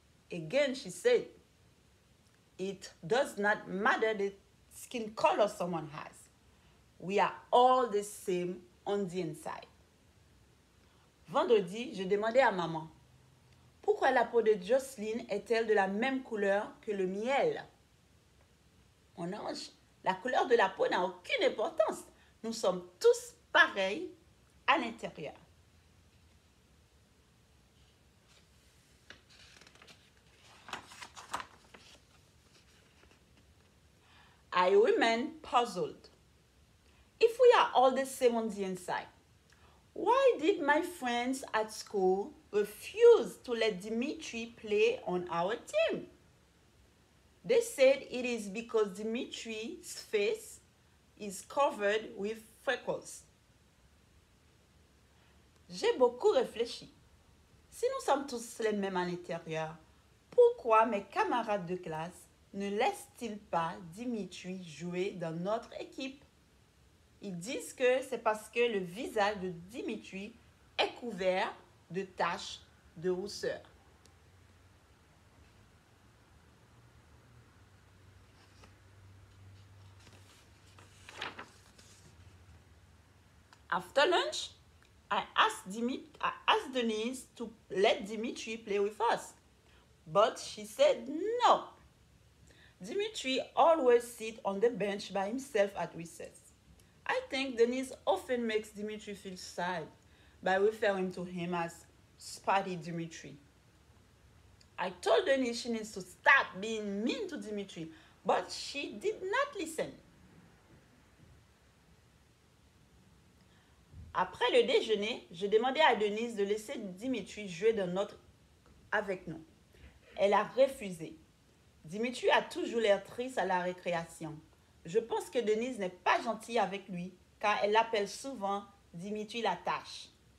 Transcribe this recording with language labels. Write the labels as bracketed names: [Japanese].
[English] Again, she said, it does not matter the skin color someone has. We are all the same on the inside. [French] Vendredi, je demandais à maman, pourquoi la peau de Jocelyn est-elle de la même couleur que le miel? Mon ange, la couleur de la peau n'a aucune importance. Nous sommes tous pareils à l'intérieur. [English] I remain puzzled. If we are all the same on the inside, why did my friends at school refuse to let Dimitri play on our team? They said it is because Dimitri's face is covered with freckles. [French] J'ai beaucoup réfléchi. Si nous sommes tous les mêmes à l'intérieur, pourquoi mes camarades de classe ne laissent-ils pas Dimitri jouer dans notre équipe? Ils disent que c'est parce que le visage de Dimitri est couvert de taches de rousseur. [English] After lunch, I asked Denise to let Dimitri play with us, but she said no. Dimitri always sits on the bench by himself at recess. I think Denise often makes Dimitri feel sad by referring to him as Spotty Dimitri. I told Denise she needs to stop being mean to Dimitri, but she did not listen. [French] Après le déjeuner, je demandais à Denise de laisser Dimitri jouer dans notre avec nous. Elle a refusé. Dimitri a toujours l'air triste à la récréation. Je pense que Denise n'est pas gentille avec lui, car elle l'appelle souvent Dimitri la tâche.